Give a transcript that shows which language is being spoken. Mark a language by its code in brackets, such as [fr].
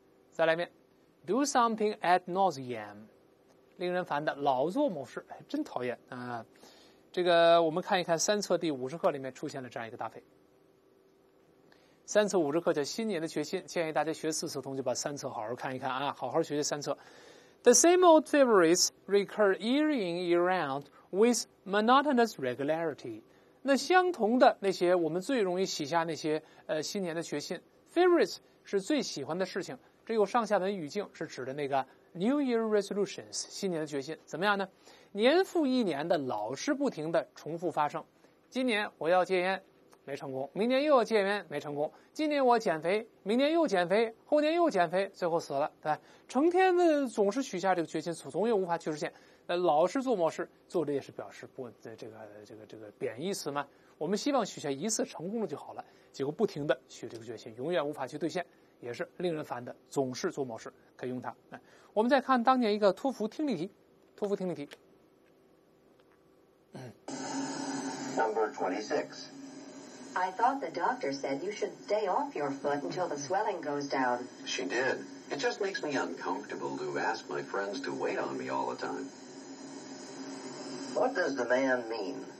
[zh] 再来一遍 [en] Do something ad nauseam. [zh] 令人烦的老作模式真讨厌啊！这个我们看一看三册第五十课里面出现了这样一个搭配。三册五十课叫新年的决心建议大家学四册同学把三册好好看一看啊，好好学习三册。 [en] The same old favorites recur year in year out with monotonous regularity. [zh] 那相同的那些我们最容易许下那些新年的决心 favorites 是最喜欢的事情这有上下文语境是指的那个 New Year Resolutions 新年的决心怎么样呢年复一年的老是不停的重复发生今年我要戒烟没成功明年又要戒烟没成功今年我减肥明年又减肥后年又减肥最后死了对吧成天的总是许下这个决心总也无法去实现老是做模式做着也是表示不这个贬义词嘛我们希望许下一次成功了就好了结果不停的许这个决心永远无法去兑现也是令人烦的总是做模式可以用它我们再看当年一个托福听力题托福听力题 [en] Number 26 I thought the doctor said you should stay off your foot until the swelling goes down She did It just makes me uncomfortable to ask my friends to wait on me all the timeWhat does the man mean?